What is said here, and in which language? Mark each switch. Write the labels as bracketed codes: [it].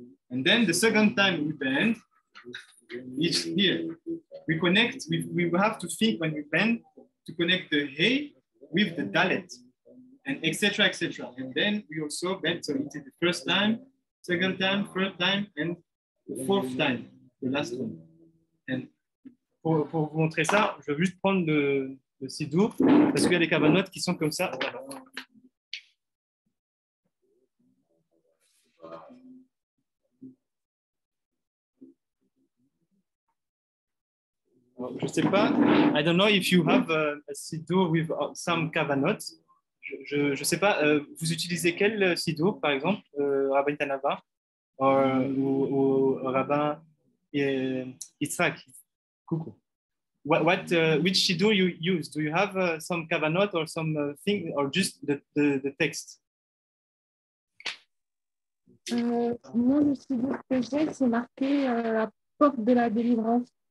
[en] And then the second time we bend, it's here. We connect, we have to think when we bend to connect the hey with the dalet, and et cetera, et cetera. And then we also bend, so it is the first time, second time, third time, and the fourth time, the last one. And [fr] pour vous montrer ça, je vais juste prendre le sidour, parce qu'il y a des cabanotes qui sont comme ça. Je sais pas. [en] I don't know if you have a sidur with some kavanot. [fr] Je sais pas. Vous utilisez quel sidur, par exemple, Rabbi Tanava ou Rabbi Yitzhak? Coucou. [en] Which sidur you use? Do you have some kavanot or some thing or just the text? [fr] Moi, le sidur que j'ai, c'est marqué la porte de la délivrance.